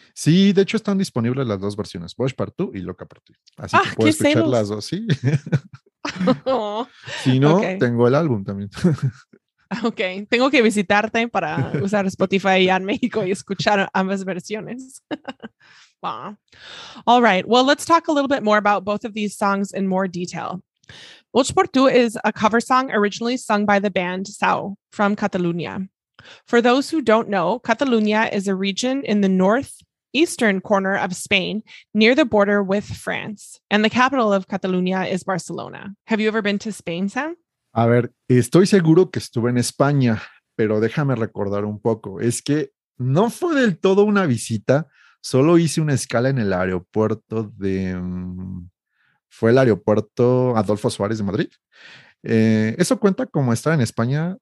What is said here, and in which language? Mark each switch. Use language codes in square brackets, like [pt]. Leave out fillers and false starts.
[es] Sí, de hecho están disponibles las dos versiones, Bosch Partout y Loca por Ti. Así que puedes escuchar celos. Las dos, ¿sí? Si no, okay. Tengo el álbum también. Ok, tengo que visitarte para usar Spotify ya en México y escuchar ambas versiones. Wow. [en] All right, well, let's talk a little bit more about both of these songs in more detail. Bosch Partout is a cover song originally sung by the band Sau from Catalunya. For those who don't know, Catalunya is a region in the northeastern corner of Spain near the border with France. And the capital of Catalunya is Barcelona. Have you ever been to Spain, Sam? [es] A ver, estoy seguro que estuve en España, pero déjame recordar un poco. Es que no fue del todo una visita, solo hice una escala en el aeropuerto de... ¿Fue el aeropuerto Adolfo Suárez de Madrid? ¿Eso cuenta como estar en España?